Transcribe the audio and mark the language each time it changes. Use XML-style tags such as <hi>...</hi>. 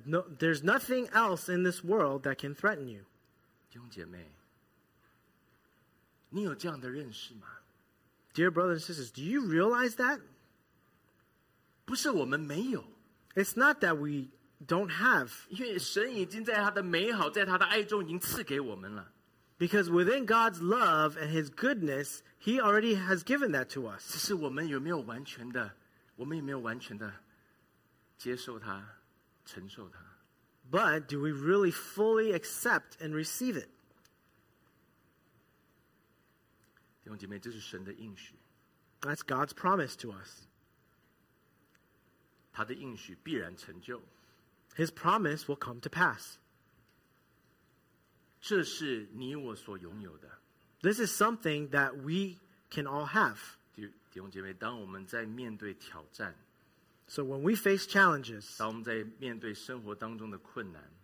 <en>no, there's nothing else in this world that can threaten you.</en> <zh>弟兄姐妹, 你有这样的认识吗?</zh> <en>Dear brothers and sisters, do you realize that?</en> <zh>不是我们没有。</zh> <en>It's not that we don't have.</en> <zh>因为神已经在他的美好，在他的爱中已经赐给我们了。</zh> <en>Because within God's love and His goodness, He already has given that to us.</en> <zh>只是我们有没有完全的。我们有没有完全的接受它，承受它？</zh> <en>But do we really fully accept and receive it?</en> <zh>弟兄姐妹，这是神的应许。</zh> <en>That's God's promise to us.</en> <zh>他的应许必然成就。</zh> <en>His promise will come to pass.</en> <zh>这是你我所拥有的。</zh> <en>This is something that we can all have.</en> <zh>弟兄姐妹，当我们在面对挑战，</zh> <en>So when we face challenges,</en> <zh>当我们在面对生活当中的困难，</zh>